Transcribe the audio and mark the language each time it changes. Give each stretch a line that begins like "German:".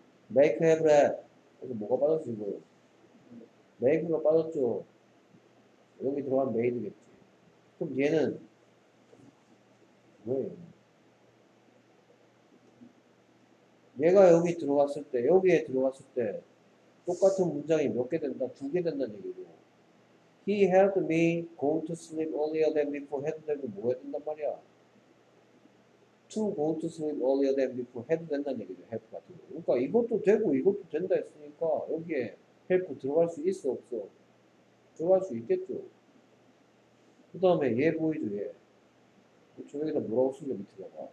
Korean: make, have, have. 여기 뭐가 빠졌어, 이거? make가 빠졌죠. 여기 들어간 made겠지. 그럼 얘는, 왜? 얘가 여기 들어갔을 때, 여기에 들어갔을 때, 똑같은 문장이 몇 개 된다? 두 개 된다는 얘기죠.
English: He helped me go to sleep earlier than before.
Korean: 해도 되고 뭐 해야 된단 말이야?
English: To go to sleep earlier than before.
Korean: 해도 된다는 얘기죠.
English: help 같은 거.
Korean: 그러니까 이것도 되고 이것도 된다 했으니까 여기에 help 들어갈 수 있어 없어? 들어갈 수 있겠죠. 그 다음에 얘 보이죠 얘. 그쵸, 여기다 뭐라고 쓴거 밑에다 봐.